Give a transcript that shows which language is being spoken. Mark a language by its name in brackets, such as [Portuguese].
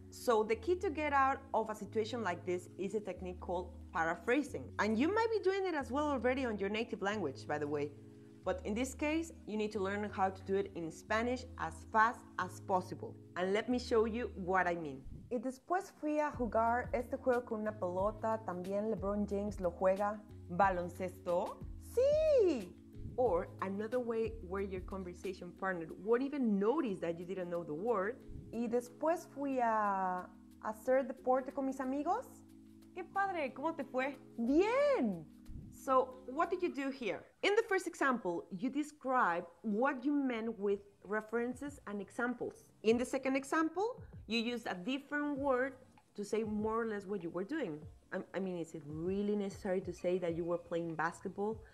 [English] So the key to get out of a situation like this is a technique called paraphrasing. And you might be doing it as well already on your native language, by the way. But in this case, you need to learn how to do it in Spanish as fast as possible. And let me show you what I mean. [Spanish] Y después fui a jugar este juego con una pelota, también LeBron James lo juega. ¿Baloncesto? Sí! [English] Or another way where your conversation partner won't even notice that you didn't know the word. [Spanish] Y después fui a hacer deporte con mis amigos. ¡Qué padre! ¿Cómo te fue? ¡Bien! [English] So, what did you do here? In the first example, you describe what you meant with references and examples. In the second example, you used a different word to say more or less what you were doing. I mean, is it really necessary to say that you were playing basketball?